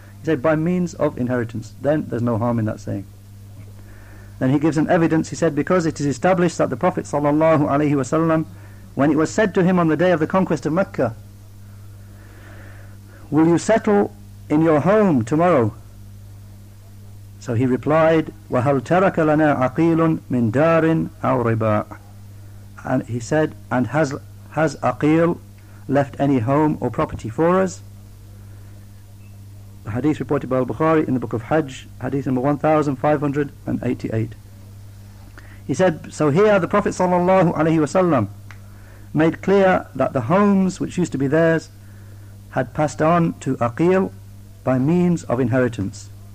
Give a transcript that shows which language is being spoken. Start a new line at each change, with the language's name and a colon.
English: He said, by means of inheritance. Then there's no harm in that saying. Then he gives an evidence, he said, because it is established that the Prophet sallallahu alaihi wasallam, when it was said to him on the day of the conquest of Mecca, will you settle in your home tomorrow? So he replied,
Arabic: وَهَلْ تَرَكَ لَنَا عَقِيلٌ مِنْ دَارٍ أَوْ رِبَاعٍ.
English: And he said, and has Aqil left any home or property for us? The hadith reported by Al-Bukhari in the book of Hajj, hadith number 1588. He said, so here the Prophet sallallahu alaihi wasallam made clear that the homes which used to be theirs had passed on to Aqil by means of inheritance.